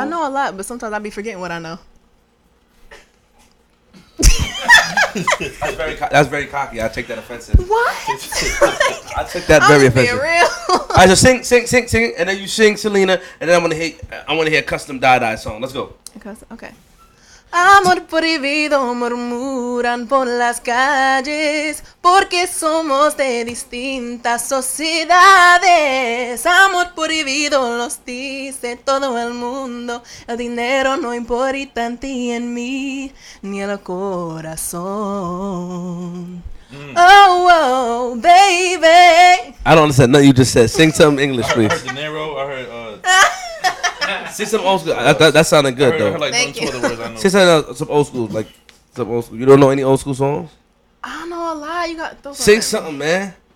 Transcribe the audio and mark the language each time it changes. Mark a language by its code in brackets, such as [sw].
[en] I know a lot, but sometimes I be forgetting what I know. That's very cocky. I take that offensive. What? I took that very offensive. Real. All right, so sing, and then you sing Selena, and then I want to hear a custom die song. Let's go. Okay. [es] Amor prohibido, murmuran por las calles, porque somos de distintas sociedades. Amor prohibido, los dice todo el mundo, el dinero no importa en ti, en mí, ni el corazón. [en] Oh, oh, baby. I don't understand nothing you just said. Sing some English, please. I heard some old school. That sounded good, though. Sing some old school. You don't know any old school songs? I don't know a lot. You got those. Sing something, man.